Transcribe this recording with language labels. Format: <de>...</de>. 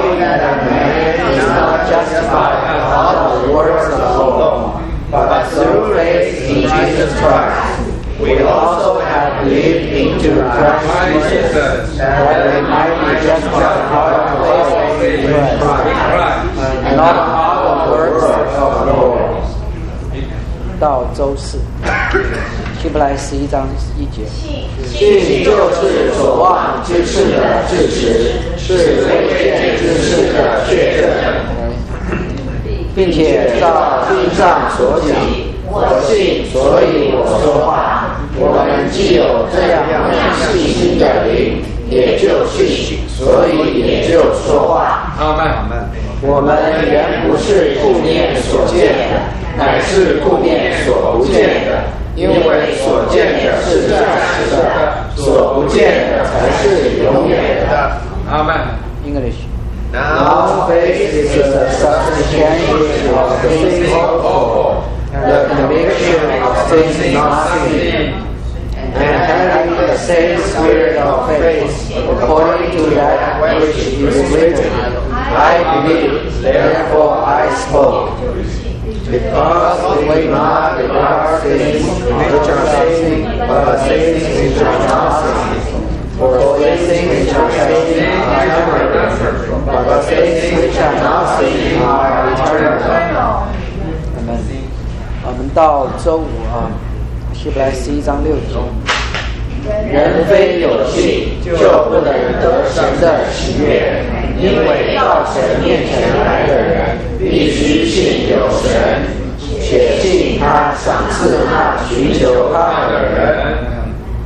<en>that a man is not justified by all the works of the law, but through faith in Jesus Christ. We also have lived into Christ's mercy, that we might be justified by the faith of Christ, and not by the words of the law.</en> <zh>到周四，希伯来十一章一节。信就是所望之事的事实，是未见之事的确证，并且照经上所讲。我信，所以我说话。我们既有这样信心的灵，也就信，所以也就说话。阿门，阿门。我们原不是顾念所见的，乃是顾念所不见的，因为所见的是暂时的，所不见的才是永远的。阿门。</zh> <en>English. Now faith is the substance of things hoped for, the conviction of things not seen, and having the same spirit of faith according to that which is written. I believe, therefore I spoke. Because we may not regard things which are seen, but things which are not seen. For things which are seen are temporary, but things which are not seen are eternal. Amen.</en> <zh>我们到周五啊，希伯来十一章六节。人非有信，就不能得神的喜悦，因为到神面前来的人，必须信有神，且信他赏赐那寻求他的人。</zh>